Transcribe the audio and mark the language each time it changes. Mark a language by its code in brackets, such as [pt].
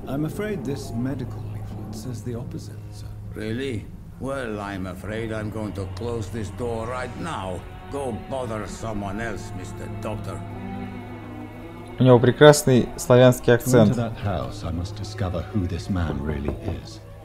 [en] I'm afraid this medical leaflet says the opposite, sir. Really? Well, I'm afraid I'm going to close this door right now. Go bother someone else, Mr. Doctor. [ru] У него прекрасный славянский акцент. [en] To that house, I must discover who this man really is.